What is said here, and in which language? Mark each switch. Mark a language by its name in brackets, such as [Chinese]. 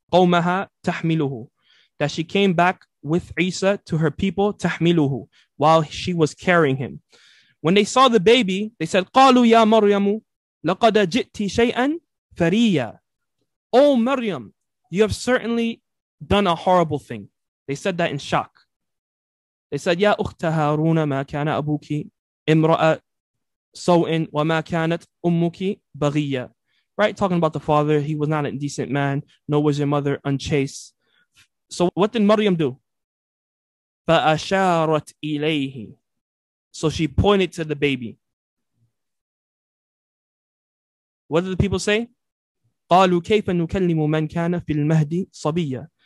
[Arabic] Qawmaha tahmiluhu. [English] That she came back with Isa to her people, tahmiluhu, while she was carrying him. When they saw the baby, they said, [Arabic] قَالُوا يَا مَرْيَمُ لَقَدَ جِئْتِ شَيْئًا فَرِيًّا. [English] Oh, Maryam, you have certainly done a horrible thing. They said that in shock. They said, [Arabic] يَا أُخْتَ هَارُونَ مَا كَانَ أَبُوكِ إِمْرَأَ سَوْءٍ وَمَا كَانَتْ أُمُّكِ بَغِيًّا. [English] Right, talking about the father, he was not an indecent man, nor was your mother unchaste. So what did Maryam do? [Arabic] فَأَشَارَتْ إِلَيْهِ. [English] So she pointed to the baby. What did the people say? [Arabic] قَالُوا كَيْفَ نُكَلِّمُ مَنْ كَانَ فِي الْمَهْدِ صَبِيًّا.